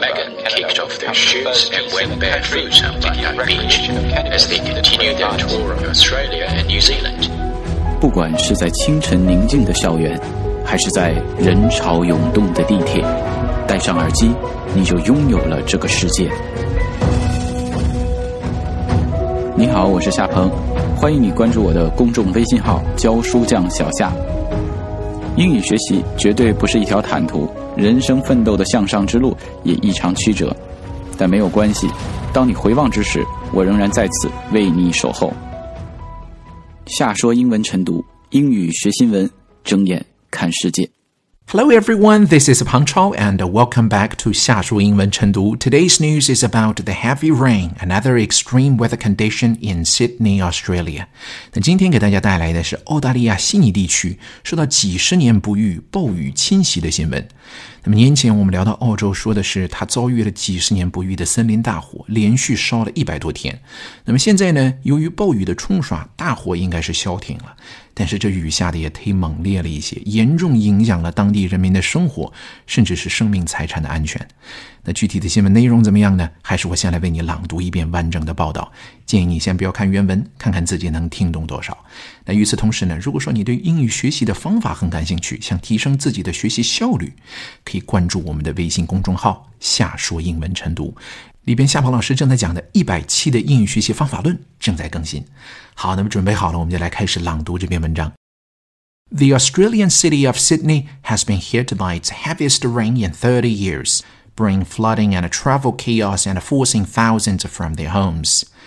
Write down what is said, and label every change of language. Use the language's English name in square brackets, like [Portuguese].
[English] Megan kicked off their shoes and went barefoot on the unknown beach as they continued their tour of Australia and New Zealand. [Chinese] 不管是在清晨宁静的校园，还是在人潮涌动的地铁，戴上耳机，你就拥有了这个世界。你好，我是夏鹏，欢迎你关注我的公众微信号教书匠小夏。英语学习绝对不是一条坦途，人生奋斗的向上之路也异常曲折，但没有关系，当你回望之时，我仍然在此为你守候。夏说英文晨读，英语学新闻，睁眼看世界。 [English] Hello everyone, this is Peng Chao and welcome back to 夏说英文晨读. Today's news is about the heavy rain, another extreme weather condition in Sydney, Australia. [Chinese] 那今天给大家带来的是澳大利亚悉尼地区受到几十年不遇暴雨侵袭的新闻。那么年前我们聊到澳洲，说的是它遭遇了几十年不遇的森林大火，连续烧了100多天。那么现在呢，由于暴雨的冲刷，大火应该是消停了，但是这雨下的也忒猛烈了一些，严重影响了当地人民的生活，甚至是生命财产的安全。那具体的新闻内容怎么样呢？还是我先来为你朗读一遍完整的报道，建议你先不要看原文，看看自己能听懂多少。那与此同时呢，如果说你对英语学习的方法很感兴趣，想提升自己的学习效率，可以关注我们的微信公众号夏说英文晨读，里边夏鹏老师正在讲的100期的英语学习方法论正在更新。好，那么准备好了，我们就来开始朗读这篇文章。 [English] The Australian city of Sydney has been hit by its heaviest rain in 30 years, bringing flooding and a travel chaos and forcing thousands from their homes.